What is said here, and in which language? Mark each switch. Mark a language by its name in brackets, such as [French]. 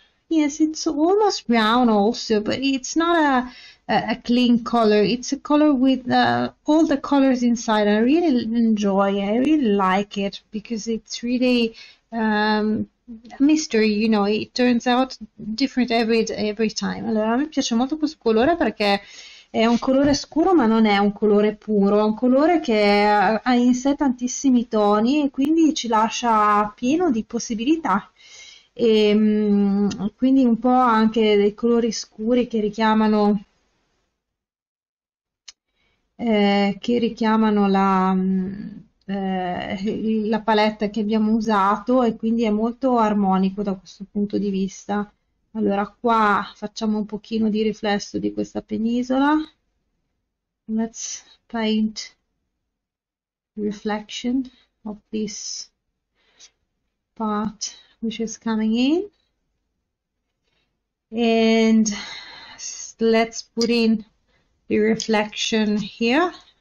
[English] Yes, it's almost brown also, but it's not a clean color. It's a color with all the colors inside. I really enjoy it. I really like it because it's really a mystery, you know. It turns out different every time. [Italian] Allora, mi piace molto questo colore perché è un colore scuro, ma non è un colore puro. È un colore che ha in sé tantissimi toni e quindi ci lascia pieno di possibilità. E quindi un po' anche dei colori scuri che richiamano la palette che abbiamo usato, e quindi è molto armonico da questo punto di vista. Allora, qua facciamo un pochino di riflesso di questa penisola. [English] Let's paint reflection of this part which is coming in, and let's put in the reflection here.